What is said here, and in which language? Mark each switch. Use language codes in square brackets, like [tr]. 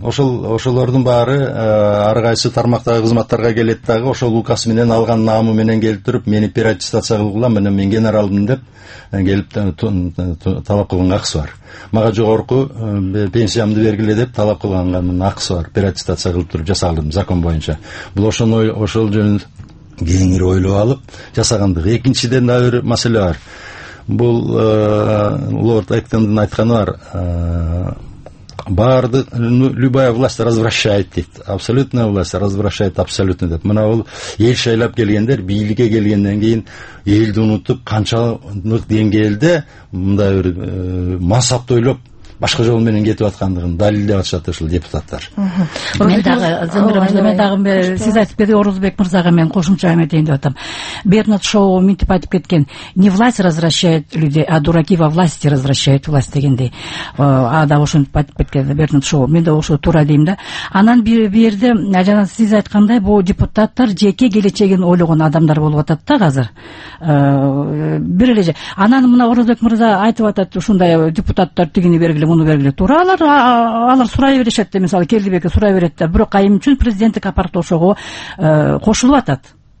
[ky] Ошолордун баары ар кайсы тармактагы кызматтарга келет дагы ошол указ менен алган наамы менен келип туруп, мени переаттестация кылгыла, мына мен генералмын деп келип талап кылганга акысы бар. Мага жогорку пенсиямды бергиле деп талап кылганга акысы бар. Переаттестация кылып туруп жасалдым закон боюнча. Бул ошол жөн кеңири ойлоп алып жасагандыгы. Экинчиден дагы бир маселе бар. Бул лорд Эктендин айтканы бар, баардык [ru] любая власть развращает [ky] дейт, [ru] абсолютная власть развращает абсолютно [ky] деп. Мына бул эл шайлап келгендер бийликке келгенден кийин элди унутуп канчалык деңгээлде мындай бир мансапты ойлоп башка жол менен кетип аткандыгын далилдеп атышат ушул депутаттар. Мен дагы сиз айтып берген Орозбек мырзага мен кошумча эме дейин деп атам. Бернард Шоу мынтип айтып кеткен: [ru] не власть развращает людей, а дураки во власти развращают власть [ky] дегендей. А да ошентип айтып кеткен Бернард Шоу, мен да ошо туура дейм да. Анан бирде жана сиз айткандай бул депутаттар жеке келечегин ойлогон адамдар болуп атат да азыр. Бир эле же анан мына Орозбек мырза айтып атат ушундай депутаттар тигини бер муну бергиле. Туура, алар сурай беришет да, мисалы Келдибекке сурай берет да, бирок айым үчүн президенттик аппарат ошого кошулуп атат.